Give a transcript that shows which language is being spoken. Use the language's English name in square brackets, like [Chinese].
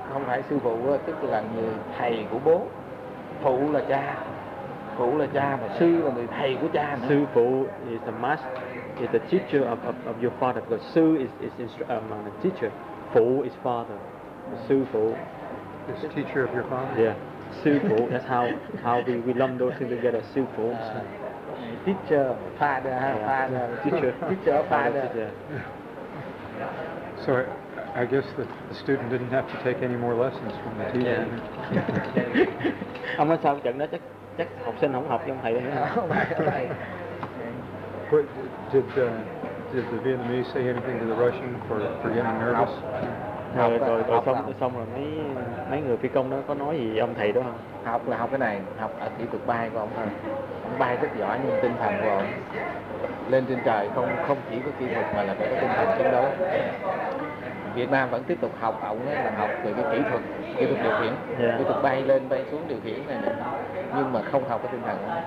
[Vietnamese] Không phải Sufu, tức là người thầy của bố. Phụ là cha. Phụ là cha mà sư là người thầy của cha nữa. [English] Sư phụ is the master, is the teacher of your father. Because sư is a teacher. Phụ is father. Sư phụ is teacher of your father. Yeah. Sư phụ, that's how we lump those things together. [Vietnamese] Sư phụ. [English] Teacher, father, Teacher. Teacher, father. So I guess the student didn't have to take any more lessons from the teacher. [Vietnamese] Ông nói sao trận đó chắc học sinh không học với ông thầy nữa. [English] Did the Vietnamese say anything to the Russian for getting nervous? [Vietnamese] Rồi xong rồi mấy người phi công đó có nói gì với ông thầy đó không? Học là học cái này, học ở kỹ thuật bay của ông thôi. Ông bay rất giỏi nhưng tinh thần của ông lên trên trời không chỉ có kỹ thuật mà là phải có tinh thần chiến đấu. Việt Nam vẫn tiếp tục học ổng là học về cái kỹ thuật điều khiển, kỹ thuật bay lên bay xuống điều khiển này, nhưng mà không học cái tinh thần.